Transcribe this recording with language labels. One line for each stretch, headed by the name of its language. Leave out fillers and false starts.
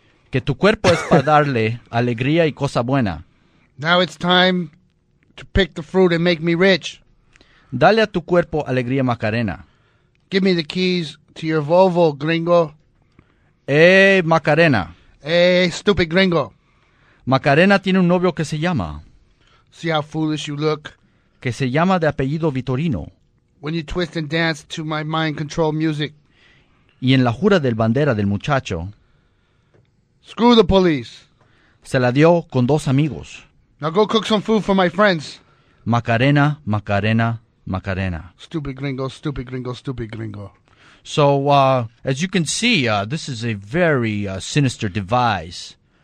Spanish: Que tu cuerpo es para darle alegría y cosa buena.
English: Now it's time to pick the fruit and make me rich.
Spanish: Dale a tu cuerpo alegría Macarena.
English: Give me the keys to your Volvo, gringo.
Spanish: Hey, Macarena.
English: Hey, stupid gringo.
Spanish: Macarena tiene un novio que se llama.
English: See how foolish you look.
Spanish: Que se llama de apellido Vitorino.
English: When you twist and dance to my mind control music.
Spanish: Y en la jura del bandera del muchacho.
English: Screw the police.
Spanish: Se la dio con dos amigos.
English: Now go cook some food for my friends.
Spanish: Macarena, Macarena, Macarena.
English: Stupid gringo, stupid gringo, stupid gringo. So, as you can see, this is a very sinister device.